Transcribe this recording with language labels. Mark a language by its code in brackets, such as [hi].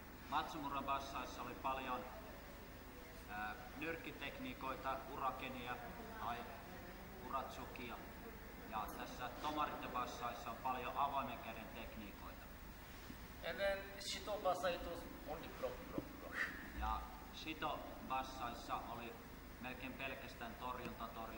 [fi] Matsumura bassaissa oli paljon nyrkkitekniikoita, urakenia tai uratsukia. Ja tässä tomarite bassaissa on paljon avoimen käden tekniikoita. [en] And then shito bassa it was only block. [fi] Ja shito bassaissa oli melkein pelkästään torjunta.